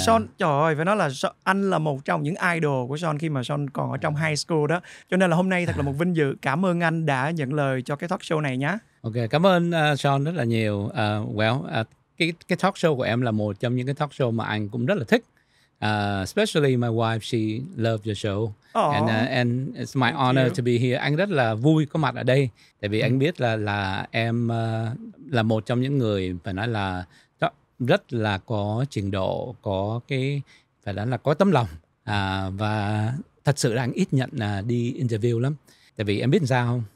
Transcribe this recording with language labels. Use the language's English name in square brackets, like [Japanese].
[Vietnamese] Sean, trời ơi, phải nói là anh là một trong những idol của Sean khi mà Sean còn ở trong high school đó. Cho nên là hôm nay thật là một vinh dự. Cảm ơn anh đã nhận lời cho cái talk show này nhá. Ok, cảm ơn Sean rất là nhiều. Cái talk show của em là một trong những cái talk show mà anh cũng rất là thích. [English] Especially my wife, she loves your show. Oh. And it's my honor to be here. [Vietnamese] Anh rất là vui có mặt ở đây. Tại vì anh biết là em là một trong những người phải nói là rất là có trình độ, có cái phải nói là có tấm lòng. Và thật sự là anh ít nhận đi interview lắm. Tại vì em biết sao không?